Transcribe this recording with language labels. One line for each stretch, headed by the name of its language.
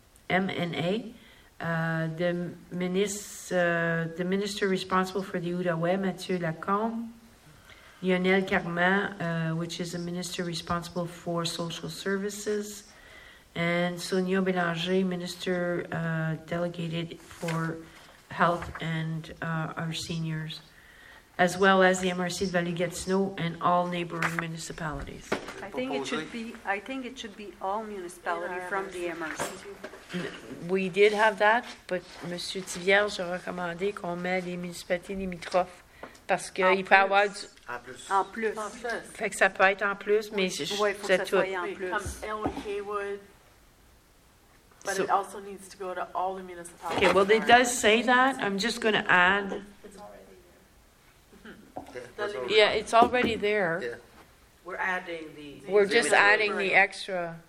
English: MNA, the minister responsible for the Outaouais, Mathieu Lacombe, Lionel Carman, which is the minister responsible for social services, and Sonia Bélanger, minister delegated for health and our seniors, as well as the MRC de Vallée-Gatineau and all neighboring municipalities. I think it should be all municipalities from the MRC. We did have that, but M.
French: Thivierge a recommandé qu'on mette les municipalités limitrophes parce qu'il peut avoir du... En plus. Fait que ça peut être en plus, mais oui, c'est tout. Oui, il faut que ça soit en plus.
English: Comme Elwood, Haywood, but so, it also needs to go to all the municipalities. Okay, well, it does say that. I'm just going to add... Yeah, it's already there. Yeah. We're adding the we're just adding the extra.